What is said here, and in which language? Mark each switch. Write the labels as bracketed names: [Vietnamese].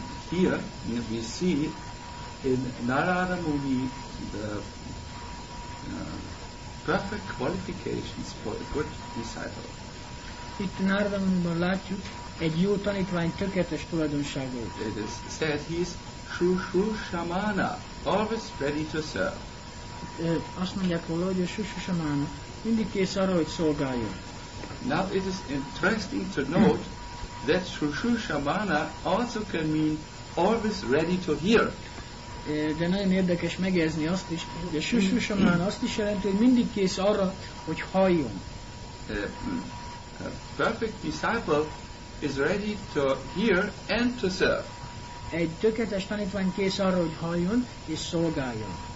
[English] Here we see in Narada Muni the perfect qualifications for a good disciple. [Hungarian] Itt Narada Muniban látjuk egy jó tanítvány tökéletes tulajdonságait. [English] It is said he is Shushushamana, always ready to serve. [Hungarian] Azt mondják róla, hogy a Shushushamana mindig kész arra, hogy szolgáljon. [English] Now it is interesting to note that Shushushamana also can mean always ready to hear. [Hungarian] De nagyon érdekes megjegyezni azt is, hogy a Shushushamana azt is jelenti, hogy mindig kész arra, hogy halljon. [English] A perfect disciple is ready to hear and to serve. [Hungarian] Egy tökéletes tanítvány kész arra, hogy halljon és szolgáljon.